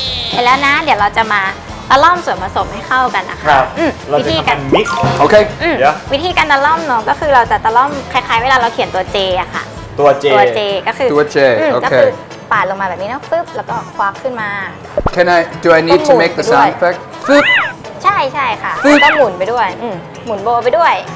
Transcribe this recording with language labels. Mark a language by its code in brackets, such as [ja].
[th] เสร็จแล้วนะเดี๋ยวเราจะมาตะล่อมส่วนผสมให้เข้ากันนะคะ วิธีการ mix โอเควิธีการตะล่อมเนาะก็คือเราจะตะล่อมคล้ายๆเวลาเราเขียนตัว J อะค่ะ ตัว J ก็คือ ตัว J โอเค ปาดลงมาแบบนี้นะปึ๊บแล้วก็ควักขึ้นมา [en] Do I need to make the sound effect ปึ๊บ [th] ใช่ค่ะต้องหมุนไปด้วยหมุนโบไปด้วย